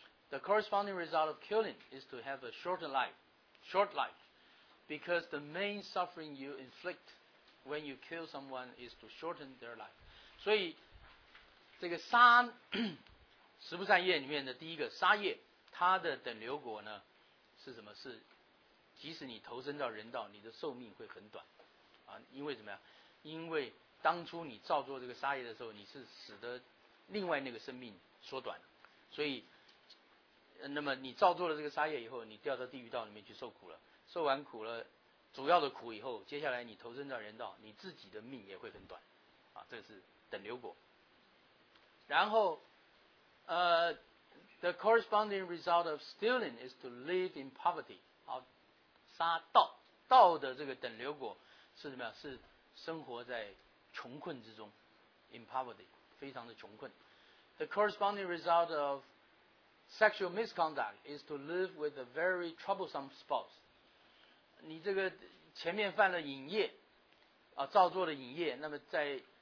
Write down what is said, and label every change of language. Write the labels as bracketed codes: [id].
[en] The corresponding result of killing is to have a short life, because the main suffering you inflict when you kill someone is to shorten their life. [zh] 所以这个杀十不善业里面的第一个杀业，它的等流果呢是什么？是即使你投身到人道，你的寿命会很短。因为怎么样？因为当初你造作这个杀业的时候，你是使得另外那个生命缩短，所以那么你造作了这个杀业以后，你掉到地狱道里面去受苦了，受完苦了主要的苦以后，接下来你投身到人道，你自己的命也会很短啊，这是等流果。 [en] 然后the corresponding result of stealing is to live in poverty。 [zh] 好，杀盗的这个等流果是什么样？是生活在穷困之中 ， [en] in poverty， [zh] 非常的穷困。 [en] The corresponding result of sexual misconduct is to live with a very troublesome spouse。 [zh] 你这个前面犯了淫业，啊，造作了淫业，那么在